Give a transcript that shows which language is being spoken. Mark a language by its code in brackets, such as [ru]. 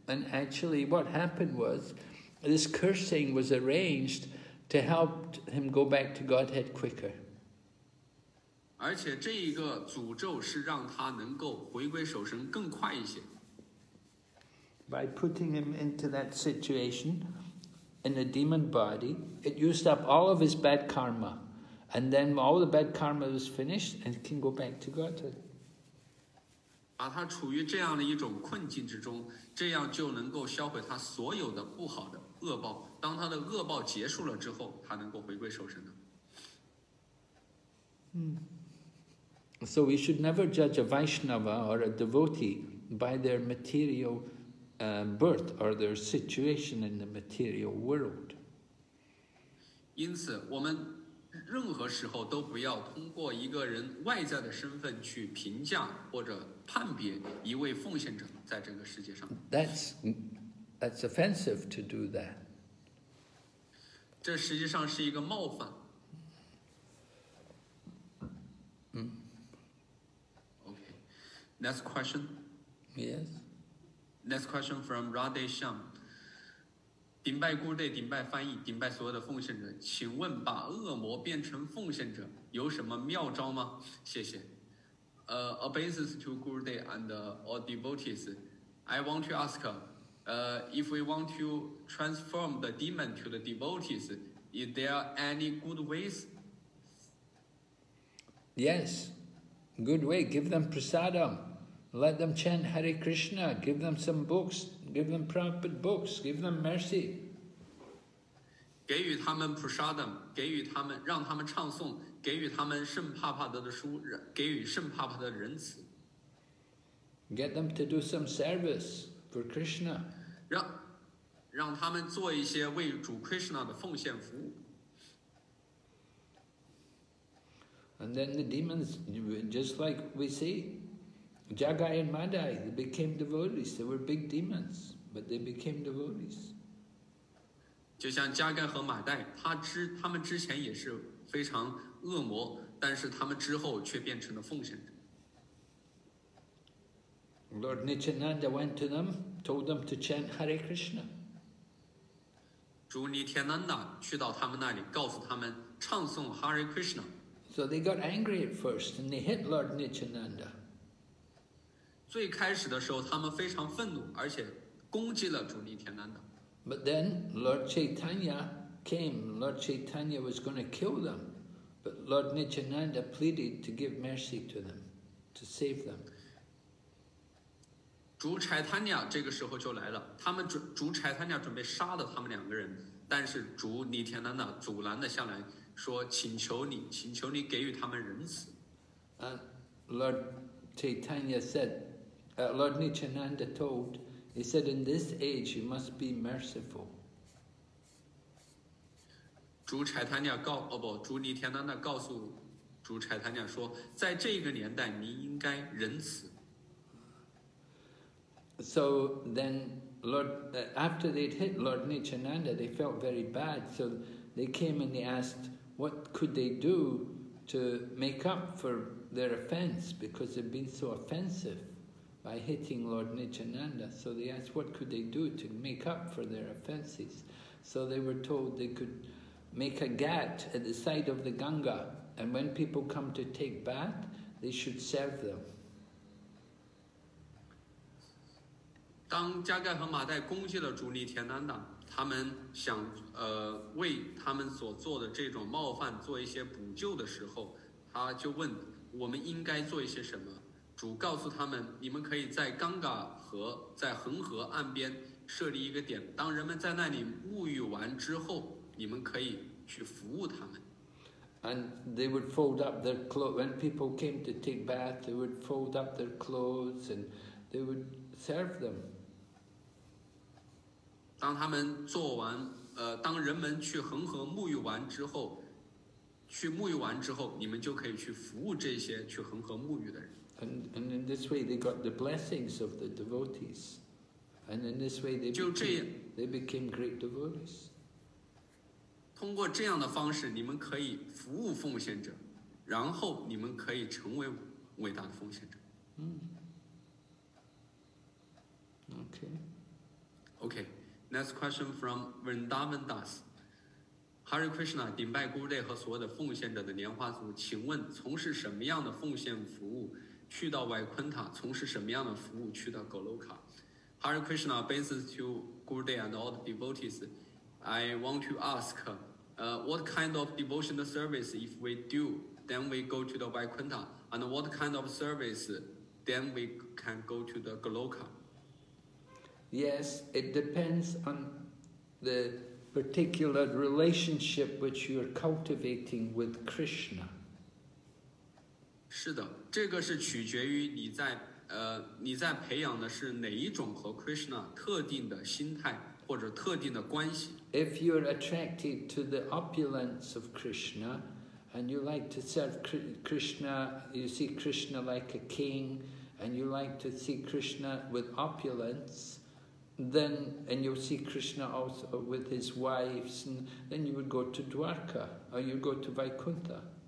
[en] And actually, what happened was, this cursing was arranged to help him go back to Godhead quicker. [zh] 而且这一个诅咒是让他能够回归守神更快一些。 [en] By putting him into that situation in a demon body, it used up all of his bad karma, and then all the bad karma was finished, and can go back to Godhead. [zh] 把他处于这样的一种困境之中，这样就能够销毁他所有的不好的恶报。当他的恶报结束了之后，他能够回归守神的。嗯。 [en] So we should never judge a Vaishnava or a devotee by their material birth or their situation in the material world. [zh] 因此，我们任何时候都不要通过一个人外在的身份去评价或者判别一位奉献者在这个世界上。 [en] That's offensive to do that. [zh] 这实际上是一个冒犯。 [en] Next question. Yes. Next question from Radhe Sham. [zh] 顶拜 Gurudev, 顶拜翻译，顶拜所有的奉献者，请问把恶魔变成奉献者有什么妙招吗？谢谢。 [en] Obeisances to Gurudev and all devotees. I want to ask, if we want to transform the demon to the devotees, is there any good ways? Yes. Good way, give them prasadam. Let them chant Hare Krishna. Give them some books. Give them Prabhupada books. Give them mercy. [zh] 给予他们 prasadam, 给予他们让他们唱诵，给予他们圣帕帕德的书，给予圣帕帕德的仁慈。 [en] Get them to do some service for Krishna. [zh] 让他们做一些为主 Krishna 的奉献服务。 [en] And then the demons, just like we see, Jagai and Madai, they became devotees. They were big demons, but they became devotees. [zh] 就像加盖和马代，他们之前也是非常恶魔，但是他们之后却变成了奉献者。 [en] Lord Nityananda went to them, told them to chant Hare Krishna. [zh] 主尼铁南达去到他们那里，告诉他们唱诵 Hare Krishna. [en] So they got angry at first, and they hit Lord Nityananda. [zh] 最开始的时候，他们非常愤怒，而且攻击了主尼铁南达。 [en] But then Lord Chaitanya came. Lord Chaitanya was going to kill them, but Lord Nityananda pleaded to give mercy to them, to save them. [zh] 主柴坦亚这个时候就来了，他们主柴坦亚准备杀了他们两个人，但是主尼铁南达阻拦了下来。说请求你，请求你给予他们仁慈。 [en] Lord Chaitanya said, Lord Nityananda told, he said, in this age you must be merciful. [zh] 主柴坦亚告哦不，主尼铁南达告诉主柴坦亚说，在这个年代你应该仁慈。 [en] So then, Lord, after they'd hit Lord Nityananda, they felt very bad, so they came and they asked. What could they do to make up for their offense because they've been so offensive by hitting Lord Nityananda? So they asked, what could they do to make up for their offenses? So they were told they could make a ghat at the side of the Ganga, and when people come to take bath, they should serve them. [zh] 当加盖和马代攻击了主尼田南达，他们想为他们所做的这种冒犯做一些补救的时候，他就问我们应该做一些什么。主告诉他们，你们可以在冈嘎河，在恒河岸边设立一个点，当人们在那里沐浴完之后，你们可以去服务他们。 [en] And they would fold up their clothes. When people came to take bath, they would fold up their clothes and they would serve them. [zh] 当他们做完，当人们去恒河沐浴完之后，去沐浴完之后，你们就可以去服务这些去恒河沐浴的人。 [en] And in this way, they got the blessings of the devotees. And in this way, they became great devotees. [zh] 通过这样的方式，你们可以服务奉献者，然后你们可以成为伟大的奉献者。 [en] Okay. Next question from Vrindavan Das. [zh] Hare Krishna, 顶拜 Gurudev 和所有的奉献者的莲花族，请问从事什么样的奉献服务？去到外昆塔从事什么样的服务去到格罗卡 [en] Hare Krishna, basis to Gurudev and all the devotees, I want to ask, what kind of devotional service if we do, then we go to the外昆塔 and what kind of service, then we can go to the格罗卡 Yes, it depends on the particular relationship which you are cultivating with Krishna. [zh] 是的这个是取决于你在你在培养的是哪一种和 Krishna 特定的心态或者特定的关系。 [en] If you're attracted to the opulence of Krishna and you like to serve Krishna, you see Krishna like a king and you like to see Krishna with opulence, then and you'll see Krishna also with his wives, and then you would go to Dwarka or you go to Vaikuntha.